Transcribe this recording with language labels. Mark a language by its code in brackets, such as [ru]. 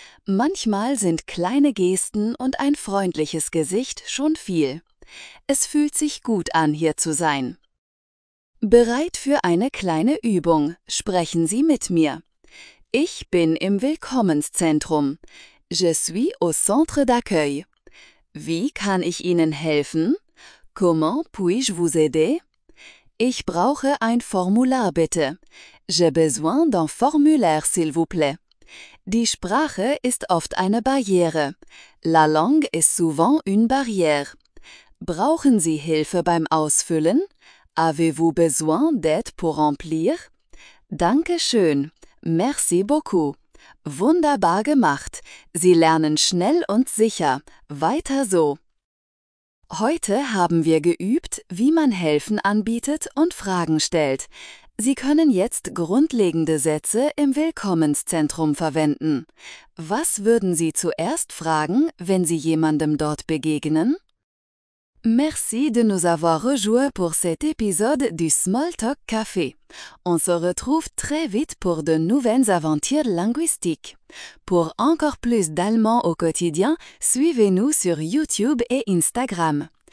[de] Manchmal sind kleine Gesten und ein freundliches Gesicht schon viel. Es fühlt sich gut an, hier zu sein. Bereit für eine kleine Übung? Sprechen Sie mit mir. Ich bin im Willkommenszentrum. [fr] Je suis au centre d'accueil. [de] Wie kann ich Ihnen helfen? [fr] Comment puis-je vous aider? [de] Ich brauche ein Formular, bitte. [fr] J'ai besoin d'un formulaire, s'il vous plaît. [de] Die Sprache ist oft eine Barriere. [fr] La langue est souvent une barrière. [de] Brauchen Sie Hilfe beim Ausfüllen? [fr] Avez-vous besoin d'aide pour remplir? [de] Danke schön. [fr] Merci beaucoup. [de] Wunderbar gemacht. Sie lernen schnell und sicher. Weiter so. Heute haben wir geübt, wie man Helfen anbietet und Fragen stellt. Sie können jetzt grundlegende Sätze im Willkommenszentrum verwenden. Was würden Sie zuerst fragen, wenn Sie jemandem dort begegnen? [fr] Merci de nous avoir rejoints pour cet épisode du Smalltalk Café. On se retrouve très vite pour de nouvelles aventures linguistiques. Pour encore plus d'allemand au quotidien, suivez-nous sur YouTube et Instagram.